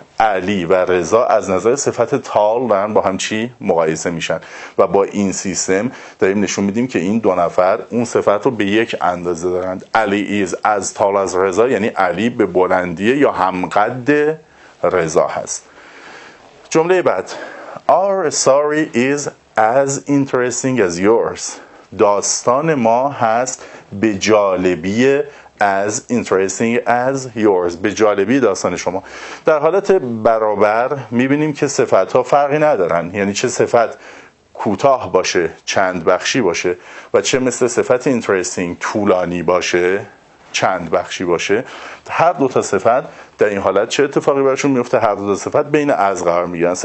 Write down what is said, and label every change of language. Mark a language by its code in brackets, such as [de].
[fa] علی و رضا از نظر صفت تال دارن با هم چی؟ مقایسه میشن، و با این سیستم داریم نشون میدیم که این دو نفر اون صفت رو به یک اندازه دارند. علی [en] is as tall as [fa] رضا، یعنی علی به بلندی یا همقد رضا هست. جمله بعد: [en] Our story is as interesting as yours. [fa] داستان ما هست به جالبی [en] as interesting as yours، [fa] به جالبی داستان شما. در حالت برابر میبینیم که صفت ها فرقی ندارن، یعنی چه صفت کوتاه باشه، چند بخشی باشه، و چه مثل صفت interesting طولانی باشه، چند بخشی باشه، هر دوتا صفت در این حالت چه اتفاقی برشون میفته؟ هر دوتا صفت بین از قرار میگن.